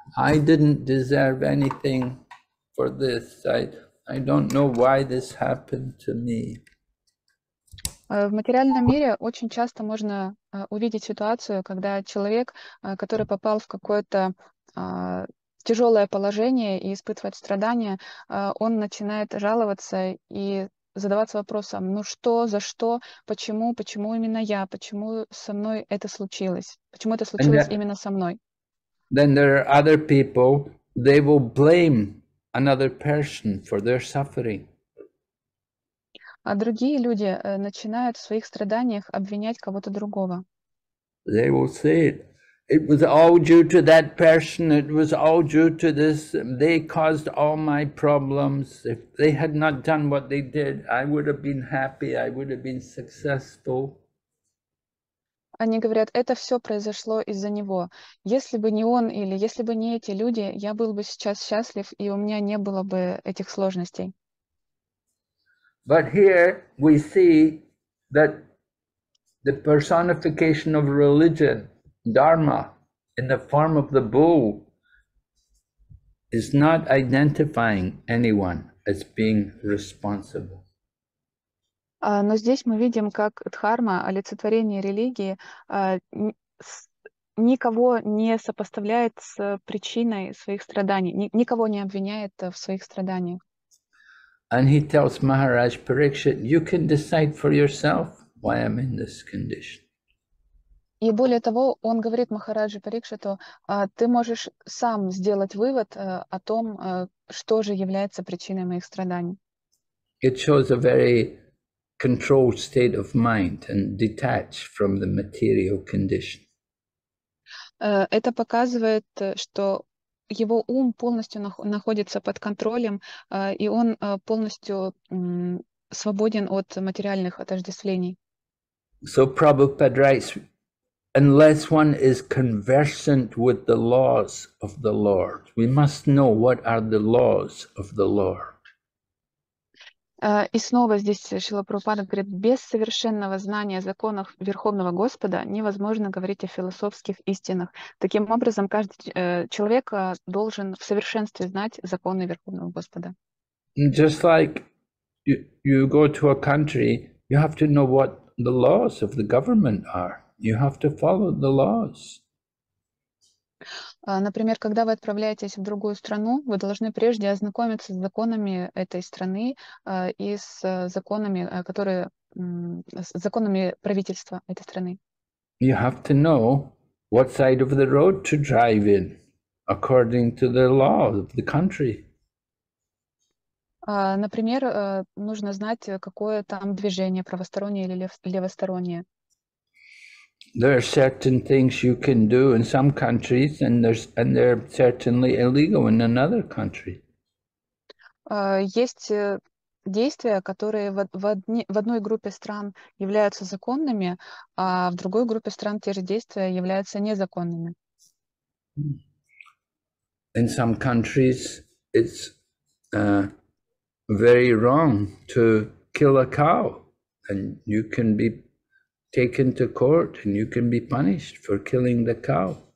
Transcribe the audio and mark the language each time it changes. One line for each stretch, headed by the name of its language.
English: I didn't deserve anything for this. I don't know why this happened to me.
Russian: В материальном мире очень часто можно увидеть ситуацию, когда человек, который попал в какое-то тяжелое положение и испытывает страдания, он начинает жаловаться и задаваться вопросом, ну что, за что, почему, почему именно я, почему со мной это случилось, почему это случилось именно со мной.
English: Then there are other people, they will blame another person for their suffering.
Russian: А другие люди начинают в своих страданиях обвинять кого-то другого.
English: They will say it was all due to that person, it was all due to this, they caused all my problems. If they had not done what they did, I would have been happy, I would have been successful.
Russian: Они говорят, это все произошло из-за него. Если бы не он или если бы не эти люди, я был бы сейчас счастлив, и у меня не было бы этих сложностей.
English: But here we see that the personification of religion, dharma, in the form of the bull, is not identifying anyone as being responsible.
Russian: Но здесь мы видим, как дхарма, олицетворение религии, никого не сопоставляет с причиной своих страданий, никого не обвиняет в своих страданиях.
English: And he tells Maharaj Parikshit, you can decide for yourself why I'm in this condition.
Russian: И более того, он говорит Махараджи Парикшиту, ты можешь сам сделать вывод о том, что же является причиной моих страданий.
English: It shows a very controlled state of mind and detached from the material condition.
Russian: Это показывает, что его ум полностью находится под контролем, и он полностью свободен от материальных отождествлений.
English: So Prabhupada writes, unless one is conversant with the laws of the Lord, we must know what are the laws of the Lord.
Russian: И снова здесь Шрила Прабхупада говорит, без совершенного знания законов Верховного Господа невозможно говорить о философских истинах. Таким образом, каждый человек должен в совершенстве знать законы Верховного Господа.
English: Just like you go to a country, you have to know what the laws of the government are. You have to follow the laws.
Russian: Например, когда вы отправляетесь в другую страну, вы должны прежде ознакомиться с законами этой страны и с законами, которые с законами правительства этой страны.
English: You have to know what side of the road to drive in according to the law of the country.
Russian: Например, нужно знать, какое там движение, правостороннее или левостороннее.
English: There are certain things you can do in some countries, and they're certainly illegal in another country.
Russian: Есть действия, которые в одной группе стран являются законными, а в другой группе стран те же действия являются незаконными.
English: In some countries, it's very wrong to kill a cow, and you can be taken to court and you can be punished for killing the cow.